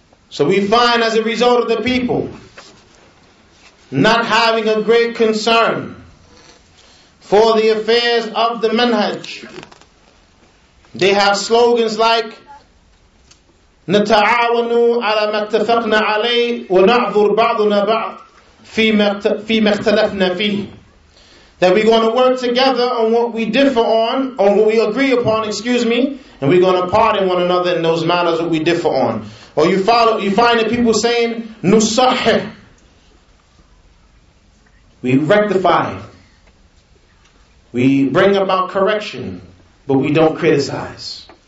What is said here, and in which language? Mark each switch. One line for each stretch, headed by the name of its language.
English: So we find as a result of the people not having a great concern for the affairs of the manhaj.
Arabic: They have slogans like نتعاونوا على ما اتفقنا عليه ونعذر بعضنا بعض في ما اختلفنا فيه.
English: That we're going to work together on what we differ on, on what we agree upon, excuse me, and we're going to pardon one another in those matters that we differ on. Or you follow, you find the people saying نصحح. We rectify. We bring about correction, but we don't criticize.